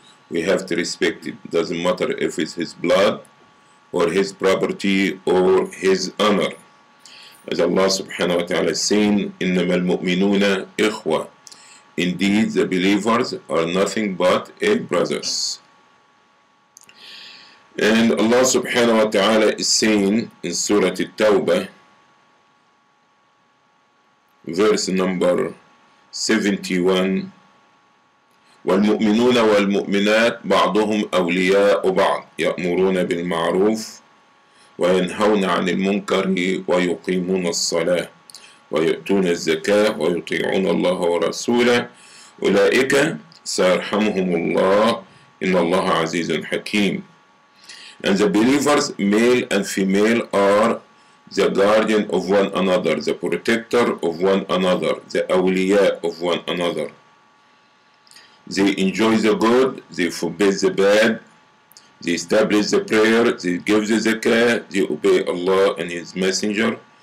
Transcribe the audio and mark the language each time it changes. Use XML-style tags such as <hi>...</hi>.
<en>We have to respect it. Doesn't matter if it's his blood or his property or his honor. As Allah subhanahu wa ta'ala is saying,</en> <ar>إِنَّمَا الْمُؤْمِنُونَ إِخْوَةً.</ar> <en>Indeed, the believers are nothing but a brothers. And Allah subhanahu wa ta'ala is saying in Surah At-Tawbah, verse number 71,</en> <ar>والمؤمنون والمؤمنات بعضهم أولياء بعض يأمرون بالمعروف وينهون عن المنكر ويقيمون الصلاة ويؤتون الزكاة ويطيعون الله ورسوله أولئك سيرحمهم الله إن الله عزيز حكيم.</ar> <en>And the believers, male and female, are the guardian of one another, the protector of one another, the awliya of one another. They enjoy the good, they forbid the bad, they establish the prayer, they give the zakah, they obey Allah and His Messenger.</en>